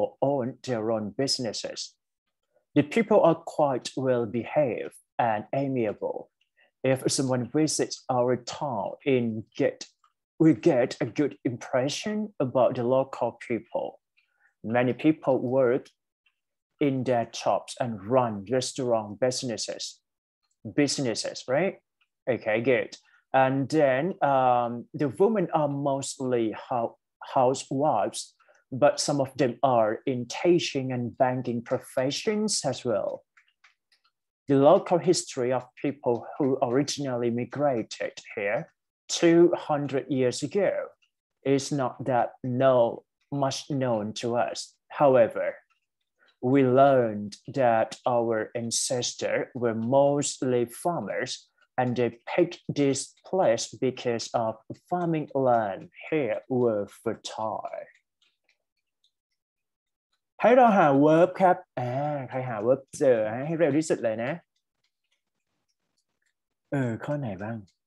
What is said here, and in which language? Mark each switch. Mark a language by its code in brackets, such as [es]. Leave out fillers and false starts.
[en] own their own businesses the people are quite well behaved and amiable if someone visits our town we get a good impression about the local people many people work in their jobs and run restaurant businesses, right? Okay, good. And then the women are mostly housewives, but some of them are in teaching and banking professions as well. The local history of people who originally migrated here 200 years ago is not that much known to us. However,We learned that our ancestors were mostly farmers and they picked this place because of farming land here were fertile. [th] ให้เราหา verb ครับใครหา verb เจอให้เร็วที่สุดเลยนะ ข้อไหนบ้าง